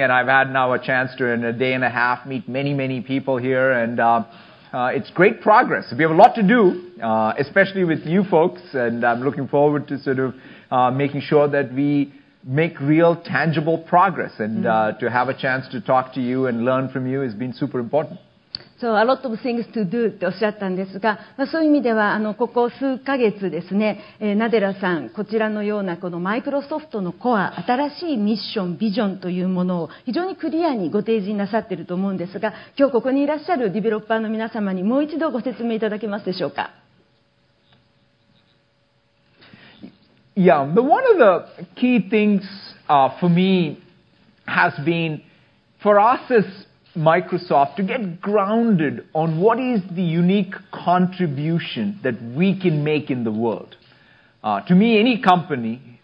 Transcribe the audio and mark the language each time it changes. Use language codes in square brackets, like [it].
[en] And I've had now a chance to, in a day and a half, meet many, many people here. And it's great progress. We have a lot to do, especially with you folks. And I'm looking forward to sort of making sure that we... make real tangible progress, and to have a chance to talk to you and learn from you has been super important. [ja] So [en] a lot of things to do [ja] っておっしゃったんですが、そういう意味ではここ数ヶ月ですね、ナデラさん、こちらのようなこのマイクロソフトのコア、新しいミッション、ビジョンというものを非常にクリアにご提示なさっていると思うんですが、今日ここにいらっしゃるディベロッパーの皆様にもう一度ご説明いただけますでしょうか。 [en] Yeah, but one of the key things for me has been for us as Microsoft to get grounded on what is the unique contribution that we can make in the world. To me, any company